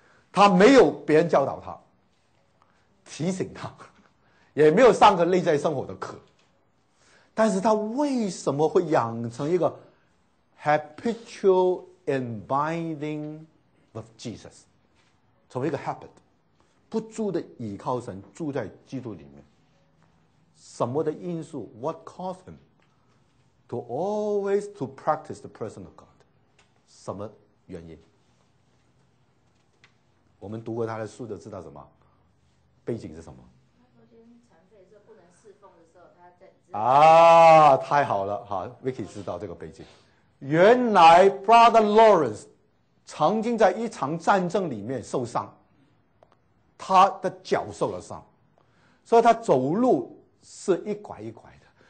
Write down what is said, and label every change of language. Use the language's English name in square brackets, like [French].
[Chinese] 他没有别人教导他、提醒他，也没有上个内在生活的课，但是他为什么会养成一个 [English] habitual and binding with Jesus， [Chinese] 成为一个 habit， 不住的倚靠神，住在基督里面。什么的因素 [English] ？What caused him to always to practice the person of God？ [Chinese] 什么原因？我们读过他的书就知道什么背景是什么。他昨天残废的时候不能侍奉的时候，他在啊，太好了，好 ，Vicky 知道这个背景。原来 Brother Lawrence 曾经在一场战争里面受伤，他的脚受了伤，所以他走路是一拐一拐的。